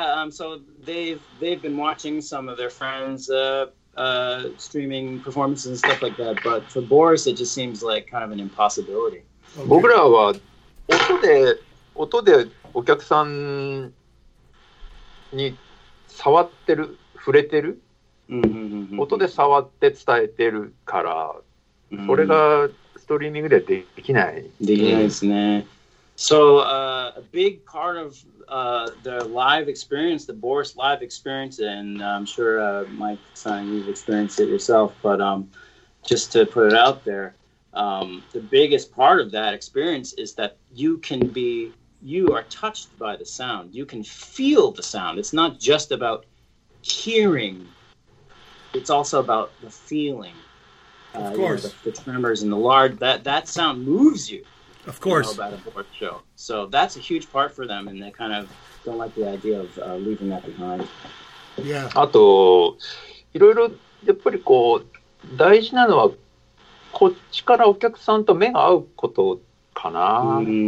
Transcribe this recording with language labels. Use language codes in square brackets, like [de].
[en] So they've been watching some of their friends streaming performances and stuff like that, but for Boris, it just seems like kind of an impossibility. [ja] 僕らは音でお客さんに触れてる、 mm-hmm. 音で触って伝えてるから、それがストリーミングでできない。できないですね。 [en] So, a big part of the live experience, the Boris live experience, and I'm sure Mike, Simon, you've experienced it yourself, but just to put it out there, the biggest part of that experience is that you are touched by the sound. You can feel the sound. It's not just about hearing. It's also about the feeling. Of course. You know, the tremors and the lard, that sound moves you. Of course. You know, about a board show. So that's a huge part for them, and they kind of don't like the idea of leaving that behind. Yeah. [ja] あと、いろいろ、やっぱりこう、大事なのは、こっちからお客さんと目が合うことかな。